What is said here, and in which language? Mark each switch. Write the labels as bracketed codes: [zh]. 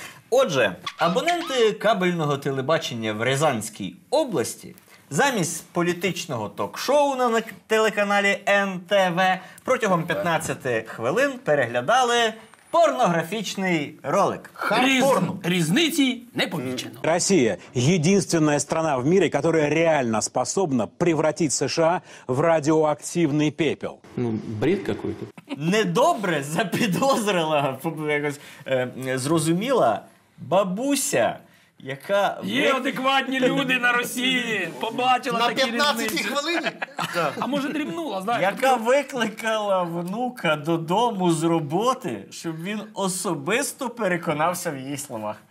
[uk] Отже, абоненти кабельного телебачення в Рязанській області замість політичного ток-шоу на телеканалі НТВ протягом 15 хвилин переглядали порнографічний ролик. Хардпорно. Різниці не помічено. [ru] Росія – єдинственная страна в мире, которая реально способна превратить США в радиоактивный пепел. Ну, бред какой-то. [uk] Недобре запідозрила, зрозуміла бабуся. Яка... Є адекватні люди на Росії, побачила на такі різниці. На 15 хвилині? А може дрімнула, знаєш? Яка викликала внука додому з роботи, щоб він особисто переконався в її словах.